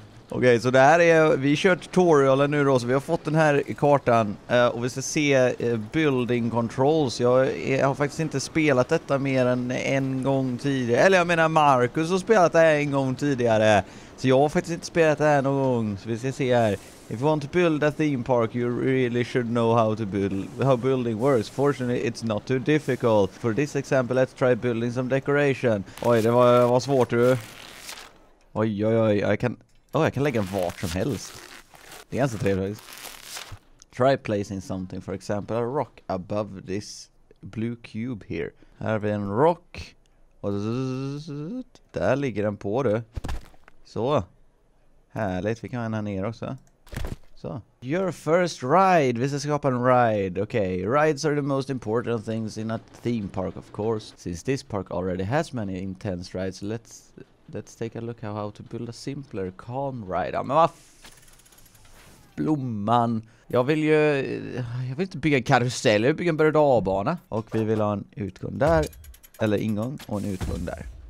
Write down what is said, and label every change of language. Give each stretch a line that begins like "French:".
Swedish: Okej, okay, så det här är, vi kör tutorialen nu då, så vi har fått den här kartan och vi ska se
English: building controls.
Swedish: Jag har faktiskt inte spelat detta mer än en gång tidigare, eller jag menar Marcus har spelat det här en gång tidigare. Så jag har faktiskt inte spelat det här någon gång, så vi ska se här.
English: If you want to build a theme park, you really should know how building works. Fortunately, it's not too difficult. For this example, let's try building some decoration.
Swedish: Oj, det var svårt, du. Oj, jag kan lägga vart som helst. Det är ganska trevligt.
English: Try placing something, for example, a rock above this blue cube here.
Swedish: Här har vi en rock. Och där ligger den på, du. Så. Härligt. Vi kan ha den här ner också. Så.
English: Your first ride.
Swedish: Vi ska skapa en ride. Okej. Okay.
English: Rides are the most important things in a theme park, of course. Since this park already has many intense rides, let's take a look how to build a simpler, calm ride.
Swedish: Ja, men vad blomman. Jag vill inte bygga en karusell. Jag vill bygga en berg-och-dalbana. Och vi vill ha en utgång där. Eller ingång och en utgång där.